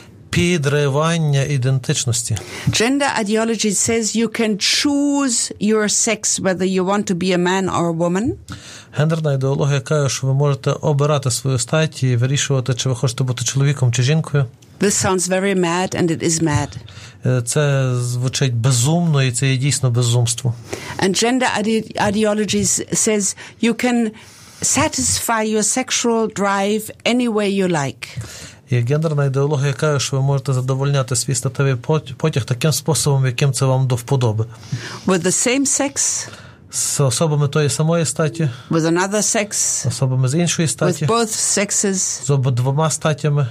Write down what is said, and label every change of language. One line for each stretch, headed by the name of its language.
Ukrainian: Підривання ідентичності».
English: Gender ideology says you can choose your sex, whether you want to be a man or a woman.
Ukrainian: Гендерна ідеологія каже, що ви можете обирати свою статі і вирішувати, чи ви хочете бути чоловіком чи жінкою.
English: This sounds very mad, and it is mad.
Ukrainian: Це звучить безумно, і це є дійсно безумство.
English: And gender ideology says you can satisfy your sexual drive any way you like.
Ukrainian: І гендерна ідеологія каже, що ви можете задовольняти свій статевий потяг таким способом, яким це вам до вподоби.
English: With the same sex.
Ukrainian: З особами тої самої статі.
English: With another sex.
Ukrainian: Особами з іншої статі.
English: With both sexes.
Ukrainian: З обома статями.